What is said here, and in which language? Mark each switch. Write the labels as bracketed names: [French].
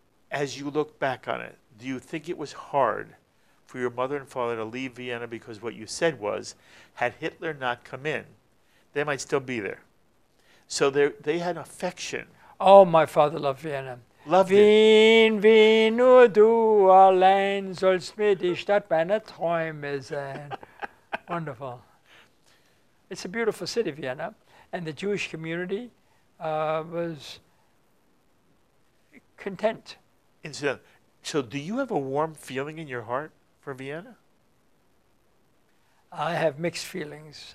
[English] As you look back on it, do you think it was hard for your mother and father to leave Vienna? Because what you said was, had Hitler not come in, they might still be there. So they had affection. Oh, my father loved Vienna. Loved Wien, it. [German] Wien, nur du allein sollst mir die Stadt meiner Träume sein. [English] Wonderful. It's a beautiful city, Vienna. And the Jewish community was content. So do you have a warm feeling in your heart for Vienna? I have mixed feelings.